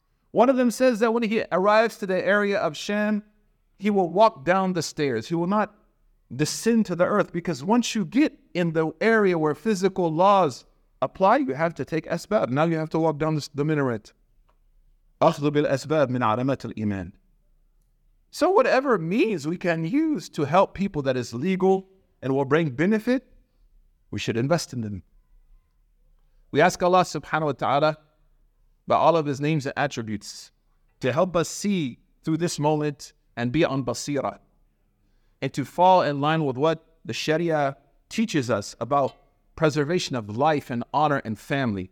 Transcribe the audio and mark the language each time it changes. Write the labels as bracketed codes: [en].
[en] One of them says that when he arrives to the area of Sham, he will walk down the stairs. He will not descend to the earth, because once you get in the area where physical laws apply, you have to take asbab. Now you have to walk down the minaret. [ar] أخذ بالأسباب من علامات الإيمان. [en] So whatever means we can use to help people that is legal and will bring benefit, we should invest in them. We ask Allah subhanahu wa ta'ala, by all of His names and attributes, to help us see through this moment and be on basira, and to fall in line with what the Sharia teaches us about preservation of life and honor and family.